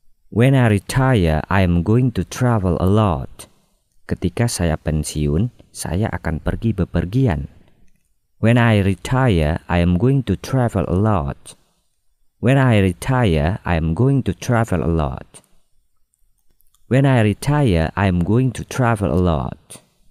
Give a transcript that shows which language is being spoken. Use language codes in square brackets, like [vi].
[en] When I retire, I am going to travel a lot. [id] Ketika saya pensiun, saya akan pergi bepergian. [en] When I retire, I am going to travel a lot. When I retire, I am going to travel a lot. When I retire, I am going to travel a lot.